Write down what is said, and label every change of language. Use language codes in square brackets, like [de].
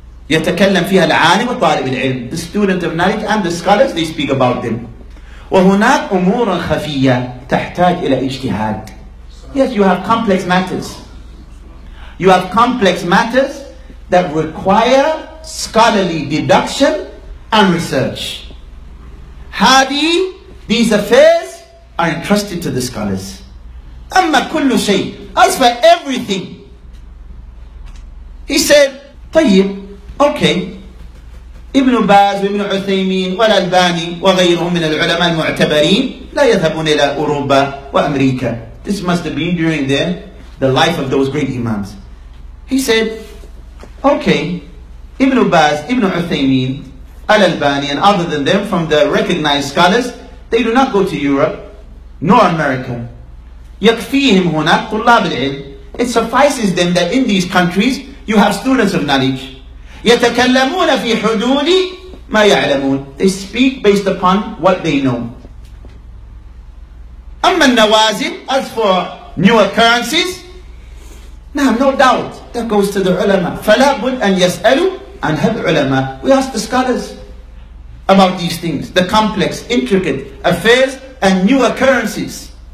[ar] يتكلم فيها العالم وطالب العلم. [en] The student of knowledge and the scholars, they speak about them. [ar] وهناك أمور خفية تحتاج إلى اجتهاد. [en] Yes, you have complex matters. You have complex matters that require scholarly deduction and research. [ar] هذه, [en] these affairs are entrusted to the scholars. [ar] أما كل شيء, [en] as for everything. He said, [ar] طيب, [en] okay. [ar] ابن باز وابن عثيمين والألباني وغيرهم من العلماء المعتبرين لا يذهبون إلى أوروبا وأمريكا. [en] This must have been during then the life of those great imams. He said, okay, Ibn Baz, Ibn Uthaymeen, Al-Albani, and other than them from the recognized scholars, they do not go to Europe nor America. [ar] يكفيهم هنا طلاب العلم. [en] It suffices them that in these countries you have students of knowledge. [ar] يتكلمون في حدود ما يعلمون. [en] They speak based upon what they know. [ar] أما النوازل, [en] as for new occurrences, no doubt, that goes to the ulama. [ar] فَلَابُدْ أَنْ يَسْأَلُوا أَنْهَا الْعُلَمَاءِ [en] We ask the scholars about these things, the complex, intricate affairs and new occurrences.